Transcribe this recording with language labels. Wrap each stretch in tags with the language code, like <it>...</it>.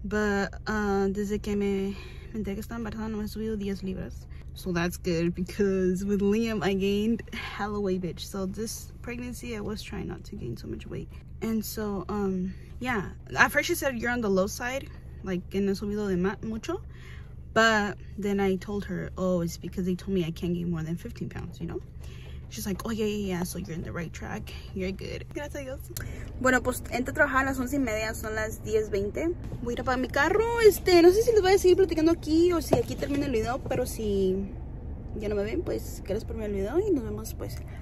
<es>But desde que me enteré que estaba embarazada, no me he subido 10 libras.</es> <en>So that's good because with Liam I gained hella weight, bitch. So this pregnancy I was trying not to gain so much weight. And so yeah, at first she said you're on the low side, like</en> <es>que no he subido de mucho,</es> <en>but then I told her, oh, it's because they told me I can't gain more than 15 pounds, you know. She's like, oh yeah, so you're in the right track, you're good.</en> <es>Gracias a Dios. Bueno, pues entré a trabajar a las 11:30, son las 10:20. Voy a ir a pagar mi carro. No sé si les voy a seguir platicando aquí o si aquí termina el video, pero si ya no me ven, pues gracias por ver el video y nos vemos pues.</es>